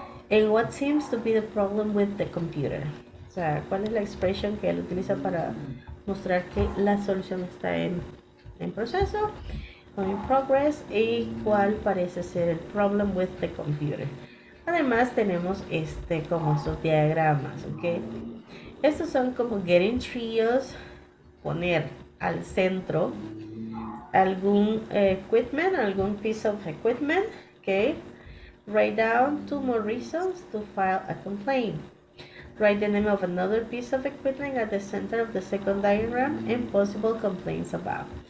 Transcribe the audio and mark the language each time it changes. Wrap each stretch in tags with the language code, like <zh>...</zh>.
<en>And what seems to be the problem with the computer?</en> <es>O sea, ¿cuál es la expresión que él utiliza para mostrar que la solución está en proceso o</es> <en>in progress?</en> <es>¿Y cuál parece ser el</es> <en>problem with the computer?</en> <es>Además tenemos este como esos diagramas, ¿ok? Estos son como getting trios, poner al centro algún equipment, algún</es> <en>piece of equipment,</en> <es>¿ok?</es> <en>Write down two more reasons to file a complaint. Write the name of another piece of equipment at the center of the second diagram and possible complaints about.</en>